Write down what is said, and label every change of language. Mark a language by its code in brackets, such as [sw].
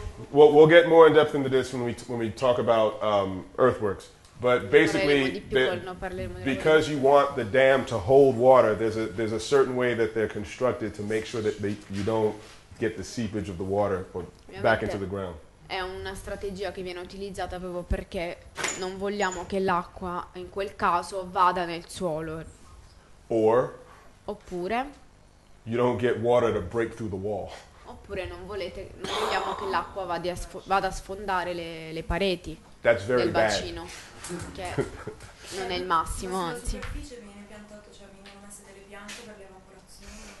[en] We'll get more in depth into this when we talk about earthworks. But basically, because you want the dam to hold water, there's a certain way that they're constructed to make sure that you don't get the seepage of the water or back into the ground. [it] È una strategia che viene utilizzata proprio perché non vogliamo che l'acqua, in quel caso, vada nel suolo. Oppure. [en] You don't get water to break through the wall. [it] Oppure non vogliamo che l'acqua vada a sfondare le pareti. [en] That's very [it] del bacino. [en] Bad. [it] Che non è il massimo, anzi. Sulla superficie viene piantato, cioè vengono messe delle piante per l'evaporazione.